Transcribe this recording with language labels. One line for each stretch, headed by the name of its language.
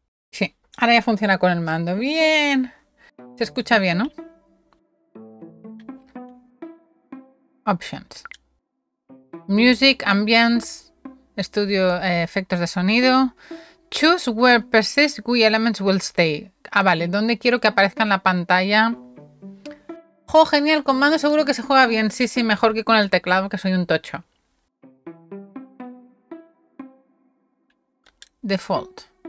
Spanish: Sí, ahora ya funciona con el mando. Bien. Se escucha bien, ¿no?
English: Options. Music, ambience.
Spanish: Estudio efectos de sonido.
English: Choose where persist GUI elements will stay.
Spanish: Ah, vale. ¿Dónde quiero que aparezca en la pantalla? ¡Jo, genial! Con mando seguro que se juega bien. Sí, mejor que con el teclado, que soy un tocho.
English: Default.